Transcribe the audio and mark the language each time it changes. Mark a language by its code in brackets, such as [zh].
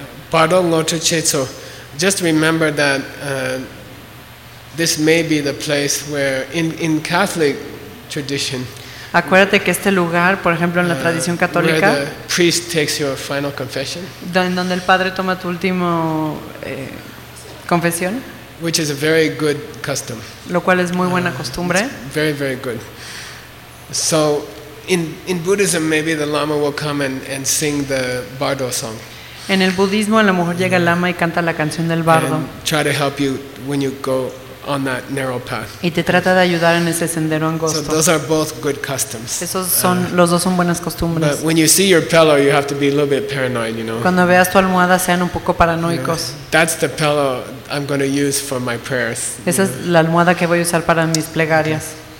[bo] Padong lo chetso. [en] Just remember that this may be the place where in Catholic tradition. [es] Acuérdate que este lugar, por ejemplo, en la tradición católica, [en] where the priest takes your final confession, [es] donde el padre toma tu último confesión, [en] which is a very good custom, [es] lo cual es muy buena costumbre. [en] Very, very good. So, in Buddhism, maybe the lama will come and sing the bardo song. [es] En el budismo, a lo mejor llega el lama y canta la canción del bardo. [en] And try to help you when you go on that narrow path. [es] Y te trata de ayudar en ese sendero angosto. [en] So those are both good customs. [es] Esos son los dos son buenas costumbres. [en] But when you see your pillow, you have to be a little bit paranoid, you know. [es] Cuando veas tu almohada, sean un poco paranoicos. [en] That's the pillow I'm going to use for my prayers. [es] Esa es la almohada que voy a usar para mis plegarias.